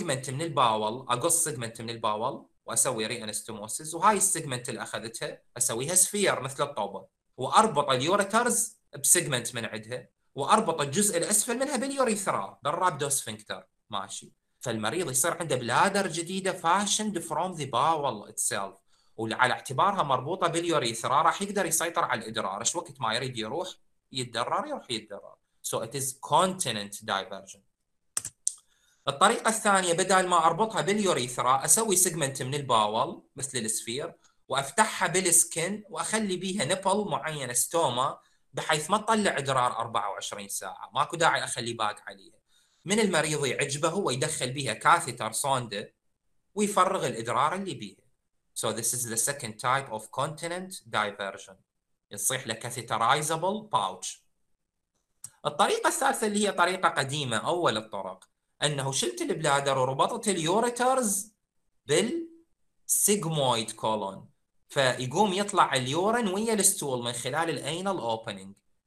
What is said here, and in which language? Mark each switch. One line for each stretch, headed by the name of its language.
Arabic: من الباول، اقص سيجمنت من الباول واسوي ري انستوموسيس، وهاي السيجمنت اللي اخذتها اسويها سفير مثل الطوبه، واربط اليوريترز بسيجمنت من عندها، واربط الجزء الاسفل منها باليوريثرا بالرابدوسفنكتر. ماشي، فالمريض يصير عنده بلادر جديده
English: fashioned from the bowel itself,
Arabic: وعلى اعتبارها مربوطه باليوريثرا راح يقدر يسيطر على الادرار، ايش وقت ما يريد يروح يتدرر يروح يتدرر.
English: So it is continent diversion.
Arabic: الطريقة الثانية بدل ما أربطها باليوريثرا أسوي سيجمنت من الباول مثل السفير وأفتحها بالسكن وأخلي بيها نبل معينة ستوما بحيث ما تطلع إدرار 24 ساعة، ماكو داعي أخلي باق عليها. من المريض يعجبه هو يدخل بيها كاثيتر صوندة ويفرغ الإدرار اللي بيها.
English: So this is the second type of continent diversion.
Arabic: يصيح لكاثيترايزابل باوتش. الطريقة الثالثة اللي هي طريقة قديمة أول الطرق، أنه شلت البلادر وربطت اليوريترز بالسيجمويد كولون، فيقوم يطلع اليورين ويا الستول من خلال الأينال أوبنينج.